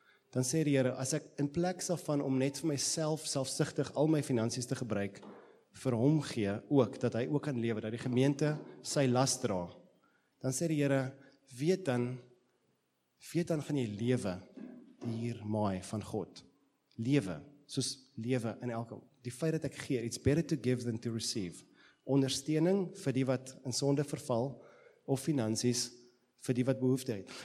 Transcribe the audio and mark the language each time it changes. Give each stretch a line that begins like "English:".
Afrikaans: dan sê die Here, as ek in plek daarvan om net vir myself selfsugtig al my finansies te gebruik, vir hom gee ook, dat hy ook kan lewe, dat die gemeente sy las dra, dan sê die Here, weet dan gaan jy lewe, die hier maai van God. Lewe, soos lewe in elke, die feit dat ek gee,
English: it's better to give than to receive.
Afrikaans: Ondersteuning vir die wat in sonde verval, of finansies vir die wat behoefte het.